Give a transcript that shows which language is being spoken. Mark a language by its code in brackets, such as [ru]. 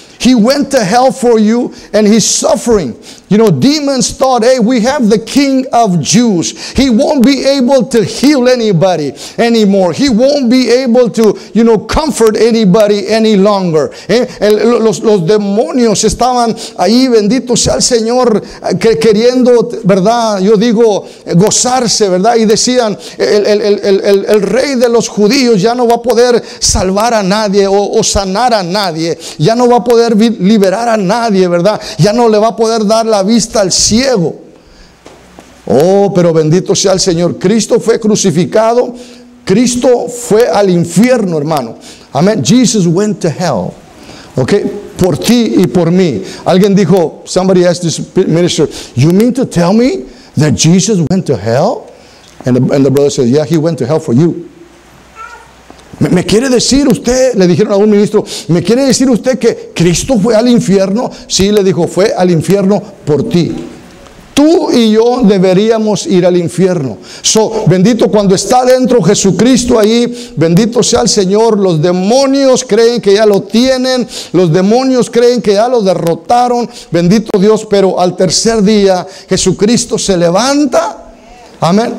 [en] He went to hell for you and he's suffering. You know, demons thought, hey, we have the King of Jews. He won't be able to heal anybody anymore. He won't be able to, you know, comfort anybody any longer. [es] Los demonios estaban ahí, bendito sea el Señor, queriendo, ¿verdad? Yo digo, gozarse, ¿verdad? Y decían, el rey de los judíos ya no va a poder salvar a nadie o sanar a nadie. Ya no va a poder liberar a nadie, ¿verdad? Ya no le va a poder dar la vista al ciego. Oh, pero bendito sea el Señor. Cristo fue crucificado. Cristo fue al infierno, hermano. Amén. [en] Jesus went to hell. Ok. [es] Por ti y por mí. Alguien dijo, [en] somebody asked this minister, you mean to tell me that Jesus went to hell? And the brother said, yeah, he went to hell for you. [es] ¿Me quiere decir usted, le dijeron a un ministro, me quiere decir usted que Cristo fue al infierno? Sí, le dijo, fue al infierno por ti. Tú y yo deberíamos ir al infierno. So, bendito, cuando está dentro Jesucristo ahí, bendito sea el Señor, los demonios creen que ya lo tienen, los demonios creen que ya lo derrotaron, bendito Dios, pero al tercer día Jesucristo se levanta. Amén.